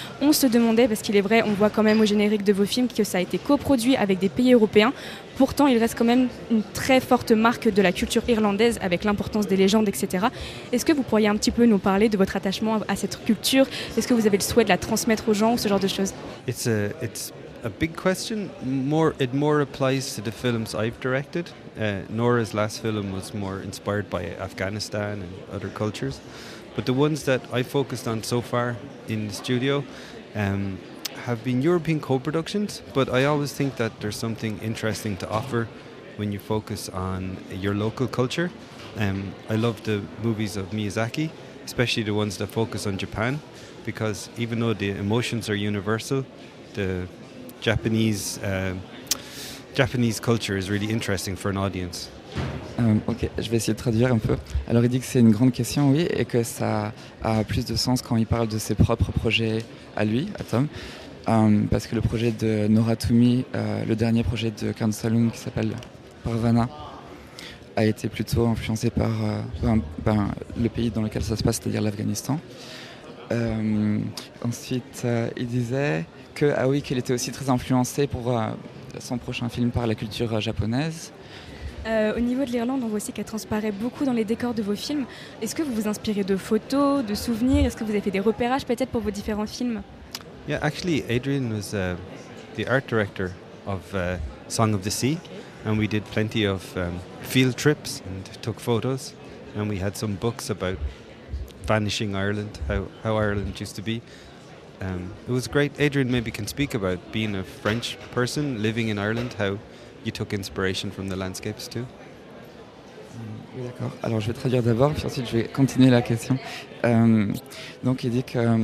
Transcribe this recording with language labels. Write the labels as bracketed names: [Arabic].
[French] On se demandait, parce qu'il est vrai, on voit quand même au générique de vos films que ça a été coproduit avec des pays européens. Pourtant, il reste quand même une très forte marque de la culture irlandaise avec l'importance des légendes, etc. Est-ce que vous pourriez un petit peu nous parler de votre attachement à cette culture ? Est-ce que vous avez le souhait de la transmettre aux gens ou ce genre de choses ? [English] It's a big question. It more applies to the films I've directed. Nora's last film was more inspired by Afghanistan and other cultures. But the ones that I focused on so far in the studio have been European co-productions, but I always think that there's something interesting to offer when you focus on your local culture. I love the movies of Miyazaki, especially the ones that focus on Japan, because even though the emotions are universal, the Japanese culture is really interesting for an audience. [French] Ok, je vais essayer de traduire un peu. Alors il dit que c'est une grande question, oui, et que ça a plus de sens quand il parle de ses propres projets à lui, à Tom. Parce que le projet de Nora Tuomei, le dernier projet de Karn Saloon qui s'appelle Parvana, a été plutôt influencé par le pays dans lequel ça se passe, c'est-à-dire l'Afghanistan. Ensuite, il disait qu'elle était aussi très influencée pour son prochain film par la culture japonaise. Au niveau de l'Irlande, on voit aussi qu'elle transparaît beaucoup dans les décors de vos films. Est-ce que vous vous inspirez de photos, de souvenirs ? Est-ce que vous avez fait des repérages peut-être pour vos différents films ? [English] Yeah, actually, Adrian was the art director of Song of the Sea, and we did plenty of field trips and took photos, and we had some books about vanishing Ireland, how Ireland used to be. It was great. Adrian maybe can speak about being a French person living in Ireland, how you took inspiration from the landscapes too. [French] Oui, d'accord. Alors, je vais traduire d'abord, puis ensuite je vais continuer la question. Donc, il dit que...